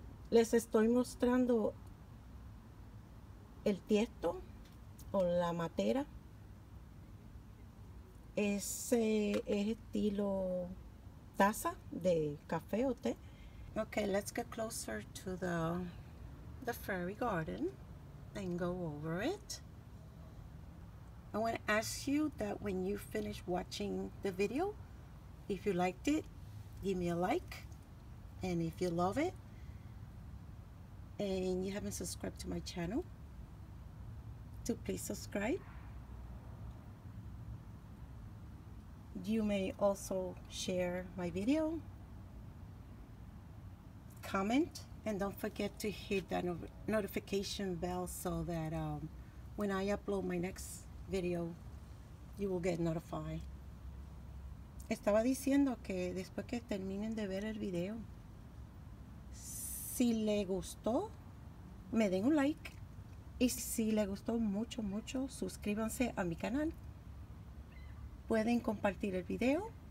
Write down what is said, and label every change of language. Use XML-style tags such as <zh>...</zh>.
<es>Les estoy mostrando el tiesto o la matera. Ese es estilo taza de café o té.</es> <en>Okay, let's get closer to the fairy garden and go over it. I want to ask you that when you finish watching the video, if you liked it, give me a like. And if you love it and you haven't subscribed to my channel, to please subscribe. You may also share my video, comment, and don't forget to hit that no notification bell so that when I upload my next video, you will get notified.</en> <es>Estaba diciendo que después que terminen de ver el video, si le gustó, me den un like. Y si le gustó mucho, mucho, suscríbanse a mi canal. Pueden compartir el video.</es>